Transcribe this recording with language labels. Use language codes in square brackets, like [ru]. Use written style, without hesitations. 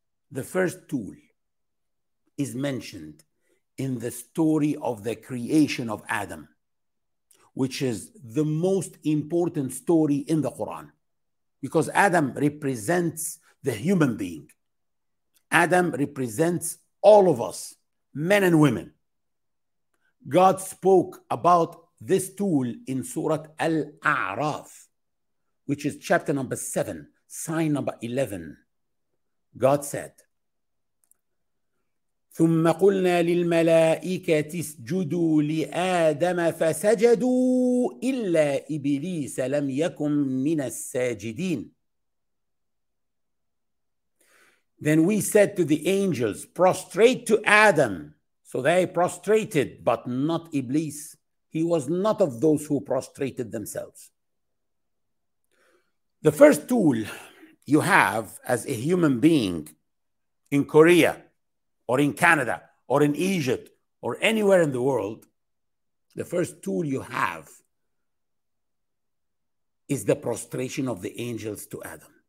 [en] The first tool is mentioned in the story of the creation of Adam, which is the most important story in the Quran, because Adam represents the human being. Adam represents all of us, men and women. God spoke about this tool in Surah Al-A'raf, which is chapter number 7, sign number 11. God said, [ar] ثم قلنا للملائكة اسجدوا لآدم فسجدوا إلا إبليس لم يكن من الساجدين. [en] Then we said to the angels, prostrate to Adam. So they prostrated, but not Iblis. He was not of those who prostrated themselves. The first tool you have as a human being in Korea, or in Canada, or in Egypt, or anywhere in the world, the first tool you have is the prostration of the angels to Adam.